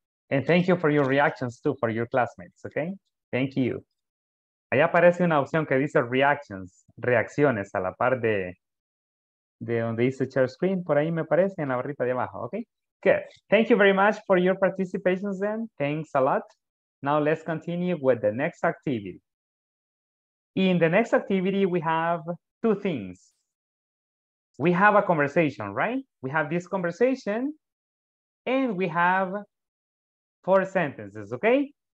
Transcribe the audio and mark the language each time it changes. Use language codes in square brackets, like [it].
[en] And thank you for your reactions too, for your classmates, okay? Thank you. [es] Ahí aparece una opción que dice reactions, reacciones a la par de donde dice share screen, por ahí me parece, en la barrita de abajo, okay? [en] Good. Thank you very much for your participation then. Thanks a lot. Now let's continue with the next activity. In the next activity, we have two things. We have a conversation, right? We have this conversation and we have four sentences, okay?